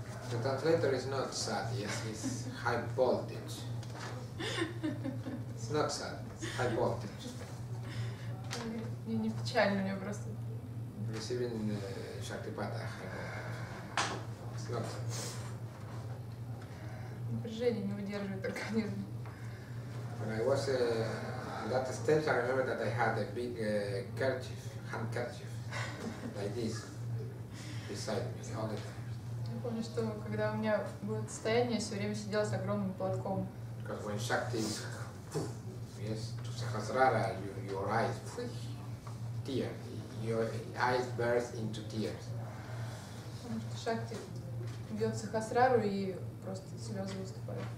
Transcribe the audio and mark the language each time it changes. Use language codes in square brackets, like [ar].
[en] The translator is not sad, yes, it's high voltage. It's not sad, it's high voltage. [ru] Не, не печально, у него просто... [en] Receiving Шактипата high voltage. It's not sad. [ru] Напряжение не удерживает организм. [en] When I was on that stage, I remember that I had a big kerchief, handkerchief, like this, beside me all the time. [ru] Я помню, что когда у меня было состояние, все время сидел с огромным платком. [en] Because when Shakti is, yes, to Sahasrara, your eyes, tears, your eyes burst into tears. [ru] Потому что Шакти бьет Сахасрару и просто слезы выступают.